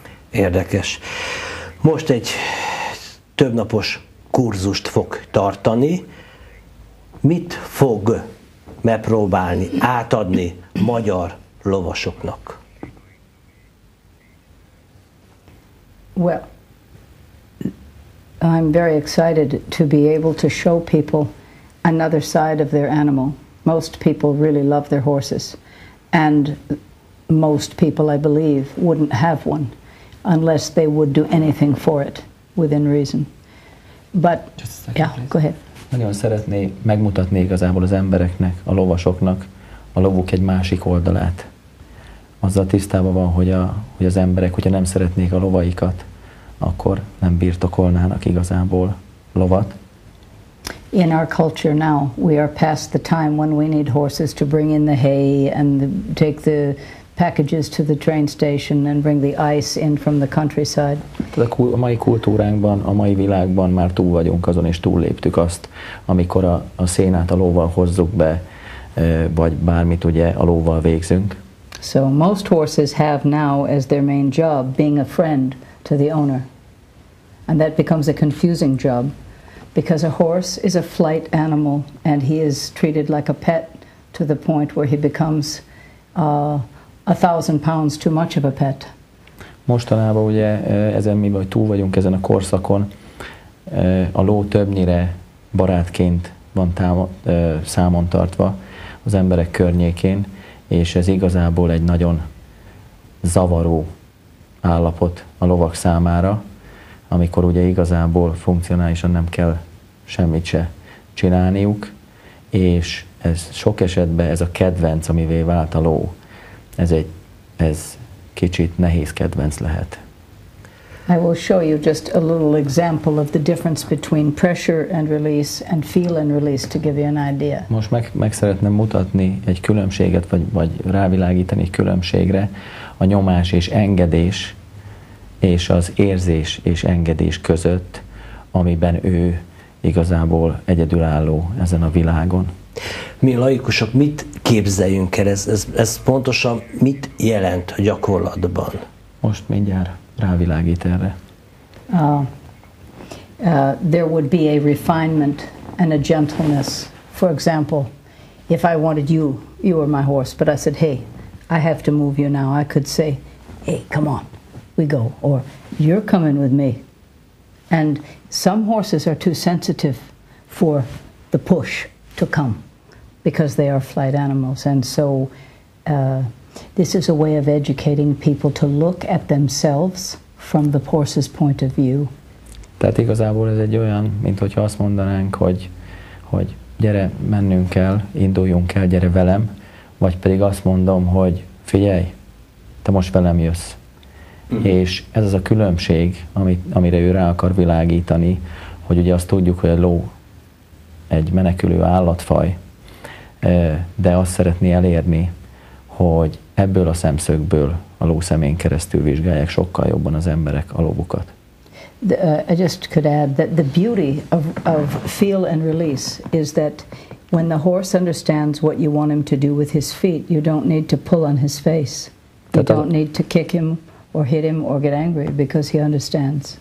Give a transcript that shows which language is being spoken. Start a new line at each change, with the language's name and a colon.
Hungarian: Érdekes. Most egy többnapos kurzust fog tartani. Mit fog megpróbálni, átadni magyar lovasoknak?
English: Well, I'm very excited to be able to show people another side of their animal. Most people really love their horses, and most people, I believe, wouldn't have one unless they would do anything for it within reason. But yeah, go ahead.
Hungarian: Nagyon szeretné megmutatni igazából az embereknek, a lovasoknak, a lovuk egy másik oldalát. Azzal tisztában van, hogy, hogy az emberek, hogyha nem szeretnék a lovaikat, akkor nem birtokolnának igazából lovat.
English: In our culture now, we are past the time when we need horses to bring in the hay and take the packages to the train station and bring the ice in from the countryside.
Hungarian: A mai kultúránkban, a mai világban már túl vagyunk azon, és túlléptük azt, amikor a szénát a lóval hozzuk be, vagy bármit ugye a lóval végzünk.
English: So most horses have now as their main job being a friend to the owner. And that becomes a confusing job because a horse is a flight animal and he is treated like a pet to the point where he becomes £1,000 too much of a pet.
Hungarian: Mostanában ugye ezen mi vagy túl vagyunk ezen a korszakon, a ló többnyire barátként van számon tartva az emberek környékén, és ez igazából egy nagyon zavaró állapot a lovak számára, amikor ugye igazából funkcionálisan nem kell semmit se csinálniuk, és ez sok esetben ez a kedvenc, amivé vált a ló, ez kicsit nehéz kedvenc lehet.
English: I will show you just a little example of the difference between pressure and release and feel and release to give you an idea.
Hungarian: Most meg szeretném mutatni egy különbséget, vagy rávilágítani egy különbségre a nyomás és engedés és az érzés és engedés között, amiben ő igazából egyedülálló ezen a világon. Mi laikusok mit képzeljünk el? Ez pontosan mit jelent a gyakorlatban? Most mindjárt rávilágít erre.
English: There would be a refinement and a gentleness. For example, if I wanted you were my horse, but I said, hey, I have to move you now, I could say, hey, come on, we go, or you're coming with me. And some horses are too sensitive for the push to come because they are flight animals. And so this is a way of educating people to look at themselves from the horse's point of view.
Hungarian: Tehát igazából ez egy olyan, mint hogyha azt mondanánk, hogy gyere, mennünk el, induljunk el, gyere velem, vagy pedig azt mondom, hogy figyelj, te most velem jössz. És ez az a különbség, amire ő rá akar világítani, hogy ugye azt tudjuk, hogy a ló egy menekülő állatfaj, de azt szeretné elérni, hogy ebből a szemszögből a ló szemén keresztül vizsgálják sokkal jobban az emberek a lóbukat.
English: I just could add that the beauty of feel and release is that when the horse understands what you want him to do with his feet, you don't need to pull on his face. You don't need to kick him or hit him or get angry because he understands.